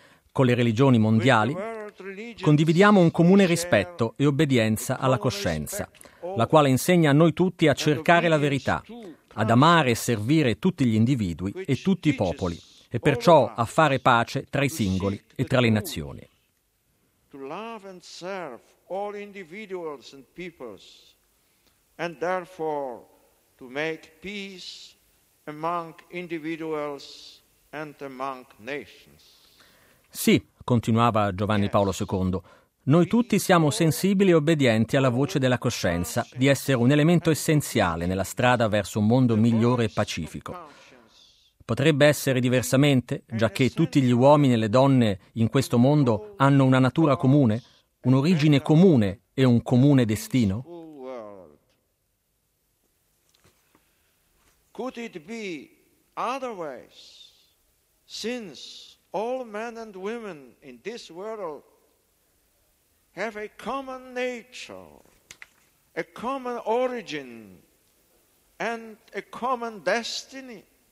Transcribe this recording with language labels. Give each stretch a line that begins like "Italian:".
Italian: Con le religioni mondiali condividiamo un comune rispetto e obbedienza alla coscienza, la quale insegna a noi tutti a cercare la verità, ad amare e servire tutti gli individui e tutti i popoli, e perciò a fare pace tra i singoli e tra le nazioni.
English: To love and serve all individuals and peoples, and therefore to make peace among individuals and among nations.
Italian: Sì, continuava Giovanni Paolo II, noi tutti siamo sensibili e obbedienti alla voce della coscienza di essere un elemento essenziale nella strada verso un mondo migliore e pacifico. Potrebbe essere diversamente, giacché tutti gli uomini e le donne in questo mondo hanno una natura comune, un'origine comune e un comune destino?
English: Could it be otherwise, since all men and women in this world have a common nature, a common origin, and a common destiny?